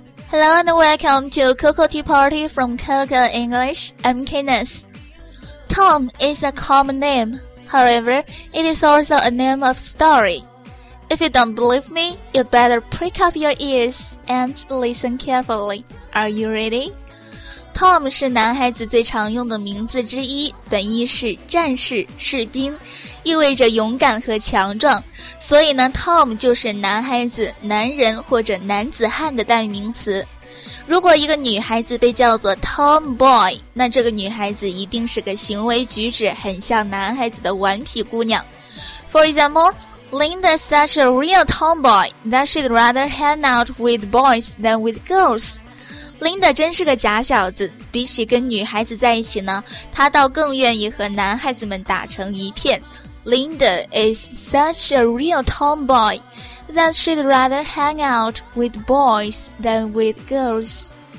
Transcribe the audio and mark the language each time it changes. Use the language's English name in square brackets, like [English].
[English] Hello and welcome to Coco Tea Party from Coco English. I'm Kenneth. Tom is a common name. However, it is also a name of story. If you don't believe me, you better prick up your ears and listen carefully. Are you ready? [Chinese] Tom 是男孩子最常用的名字之一，本意是战士、士兵，意味着勇敢和强壮。所以呢 ，Tom 就是男孩子、男人或者男子汉的代名词。如果一个女孩子被叫做 Tomboy， 那这个女孩子一定是个行为举止很像男孩子的顽皮姑娘。 [English] For example, Linda is such a real tomboy that she'd rather hang out with boys than with girls. [Chinese] Linda 真是个假小子，比起跟女孩子在一起呢，她倒更愿意和男孩子们打成一片。 [English] Linda is such a real tomboy that she'd rather hang out with boys than with girls.